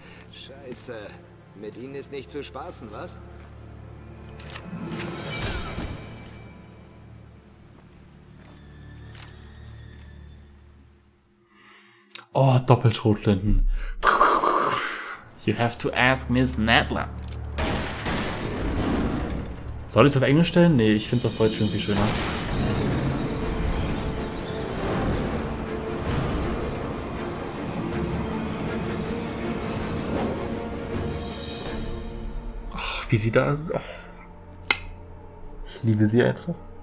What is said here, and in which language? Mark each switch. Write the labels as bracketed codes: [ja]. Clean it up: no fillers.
[de] Scheiße. Mit Ihnen ist nicht zu spaßen, was? Oh, Doppelschrotflinten. [en] You have to ask Miss Nadler. [de] Soll ich es auf Englisch stellen? Nee, ich finde es auf Deutsch irgendwie schöner. Ach, wie sie da ist. Ich liebe sie einfach.